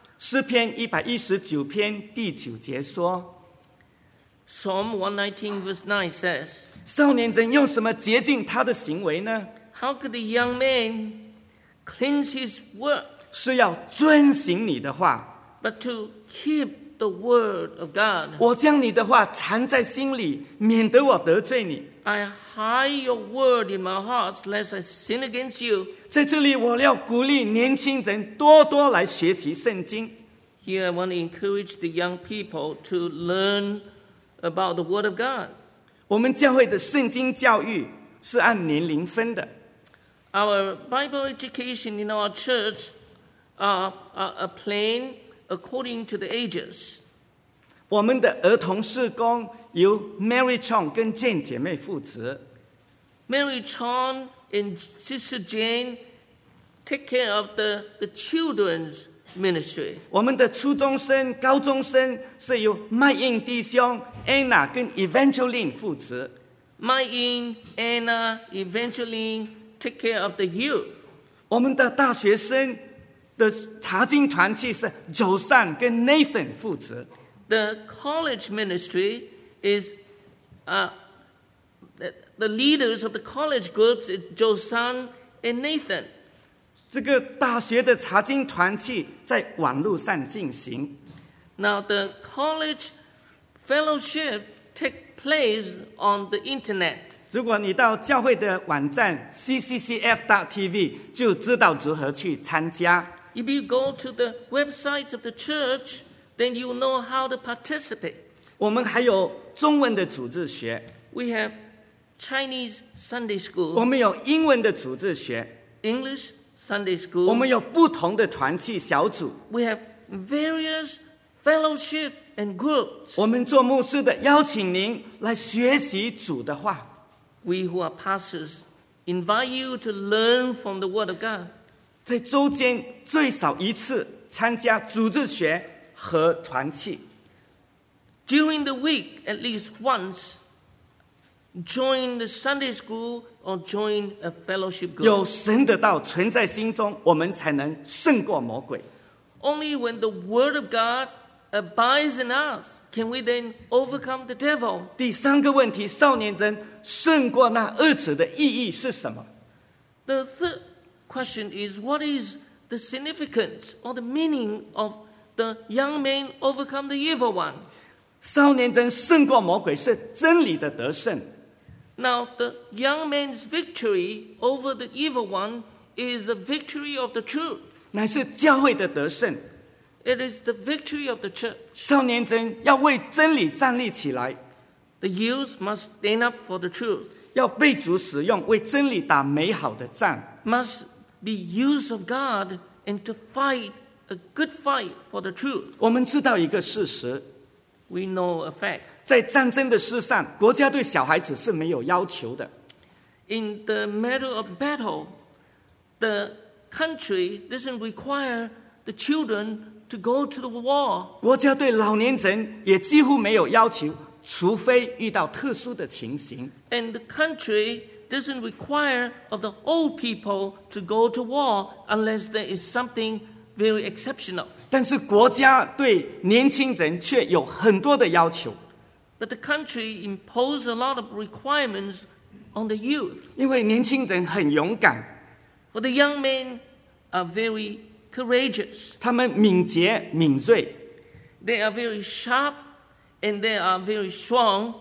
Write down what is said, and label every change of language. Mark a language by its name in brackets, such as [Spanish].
[Chinese] 诗篇119篇第九节说， [English] Psalm 119 verse 9 says, [Chinese] 少年人用什么洁净他的行为呢？ [English] How could a young man cleanse his work? [Chinese] 是要遵行你的话。 [English] But to keep the word of God. [Chinese] 我将你的话藏在心里，免得我得罪你。 [English] I hide your word in my heart, lest I sin against you. [Chinese] 在这里，我要鼓励年轻人多多来学习圣经。 [English] Here I want to encourage the young people to learn about the word of God. [Chinese] 我们教会的圣经教育是按年龄分的。 [English] Our Bible education in our church are planned according to the ages. [Chinese] 我们的儿童事工由 Mary Chong 跟 Jane 姐妹负责。 [English] Mary Chong and Sister Jane take care of the children's ministry. [Chinese] 我们的初中生、高中生是由 Mai Ying 弟兄、Anna 跟 Evangeline 负责。 [English] Mai Ying, Anna, Evangeline take care of the youth. [Chinese] 我们的大学生的查经团契是 Joseph 跟 Nathan 负责。 [English] The college ministry. Is the leaders of the college groups is Joseph and Nathan. [Chinese] 这个大学的查经团契在网路上进行。 [English] Now the college fellowship take place on the internet. [Chinese] 如果你到教会的网站 cccf.tv 就知道如何去参加。 [English] If you go to the website of the church, then you know how to participate. [Chinese] 我们还有中文的主日学。 [English] We have Chinese Sunday school. [Chinese] 我们有英文的主日学。 [English] English Sunday school. [Chinese] 我们有不同的团契小组。 [English] We have various fellowship and groups. [Chinese] 我们做牧师的邀请您来学习主的话。 [English] We who are pastors invite you to learn from the Word of God. [Chinese] 在周间最少一次参加主日学和团契。 [English] During the week, at least once, join the Sunday school or join a fellowship group. [Chinese] 有神的道存在心中，我们才能胜过魔鬼。 [English] Only when the word of God abides in us, can we then overcome the devil. [Chinese] 第三个问题，少年人胜过那恶者的意义是什么？ [English] The third question is, what is the significance or the meaning of the young man overcome the evil one? [Chinese] 少年人胜过魔鬼是真理的得胜。 [English] Now the young man's victory over the evil one is the victory of the truth. [Chinese] 乃是教会的得胜。 [English] It is the victory of the church. [Chinese] 少年人要为真理站立起来。 [English] The youth must stand up for the truth. [Chinese] 要被主使用，为真理打美好的仗。 [English] Must be used of God and to fight a good fight for the truth. [Chinese] 我们知道一个事实。 [English] We know a fact. [Chinese] 在战争的事上，国家对小孩子是没有要求的。 [English] In the matter of battle, the country doesn't require the children to go to the war. [Chinese] 国家对老年人也几乎没有要求，除非遇到特殊的情形。 [English] And the country doesn't require of the old people to go to war unless there is something very exceptional. [Chinese] 但是国家对年轻人却有很多的要求。 [English] But the country imposes a lot of requirements on the youth. [Chinese] 因为年轻人很勇敢。 [English] But the young men are very courageous. [Chinese] 他们敏捷敏锐。 [English] They are very sharp and they are very strong.